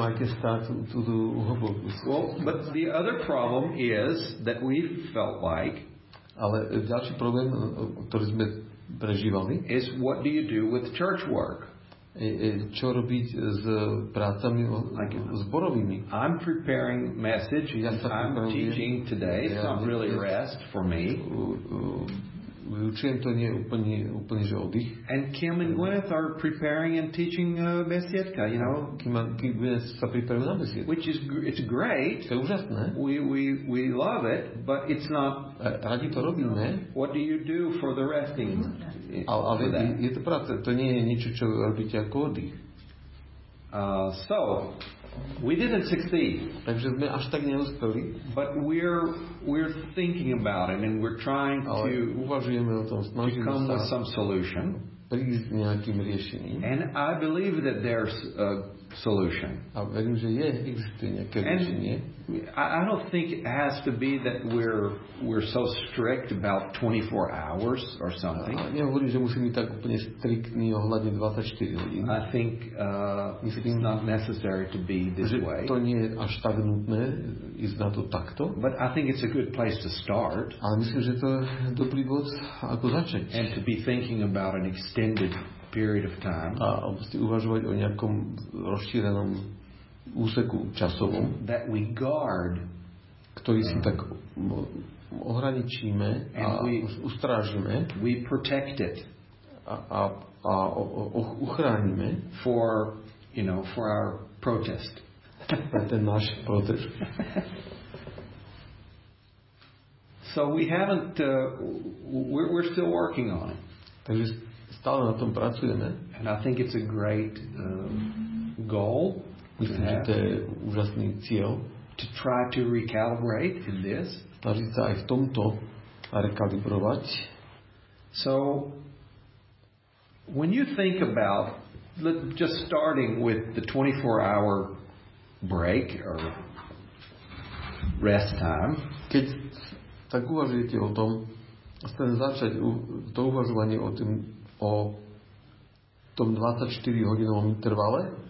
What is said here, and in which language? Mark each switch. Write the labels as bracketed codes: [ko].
[en] I can start to do homework. Well, but the other problem is that we felt like [sk] ale ďalší problém, ktorý sme prežívali [en] is what do you do with church work? [sk] Čo robiť s prácami zborovými? [en] I'm preparing message. I'm teaching today. So I'm really rest for me. [sk] Učenie to nie je úplne, úplne že oddych. [en] And Kim and Gwyneth are preparing and teaching besiedka, you know. [sk] Kim and Gwyneth sa pripravujú na besiedku. [en] Which is it's great. [sk] To je úžasné. [en] We love it, but it's not. [sk] Radi to robíme. [en] What do you do for the resting? [sk] Ale je to práca. To nie je niečo, čo robíte ako oddych. [en] So we didn't succeed. [sk] Takže sme až tak neúspeli. [en] But we're thinking about it and we're trying to [sk] uvažujeme o tom, snažíme sa [en] come with some solution. [sk] Prísť nejakým riešením. [en] And I believe that there's a solution. [sk] A verím, že existuje nejaké riešenie. [en] I don't think it has to be that we're so strict about 24 hours or something. [sk] Ja hovorím, že musíme byť tak úplne striktní ohľadne 24 hodín. [en] I think it's not necessary to be this way. [sk] To nie je až tak nutné ísť na to takto. [en] But I think it's a good place to start. [sk] A myslím, že to je dobrý bod, ako začať. [en] And to be thinking about an extended period of time. [sk] A musíte uvažovať o nejakom rozšírenom úseku časovom, [en] that we guard, [sk] ktorý si tak ohraničíme a ustrážime, [en] we protect it, [sk] a ochránime [en] for, you know, for our protest, [sk] ten náš protest. [en] So we haven't we're still working on it. [sk] Takže stále na tom pracujeme. [en] And I think it's a great goal. [sk] Myslím, že to je úžasný cieľ. [en] To try to recalibrate in this. [sk] Snažiť sa aj v tomto rekalibrovať. [en] So, when you think about just starting with the 24-hour break or rest time. [sk] Keď tak uvažujete o tom, chcem začať to uvažovanie o tom, o tom 24-hodinovom intervale.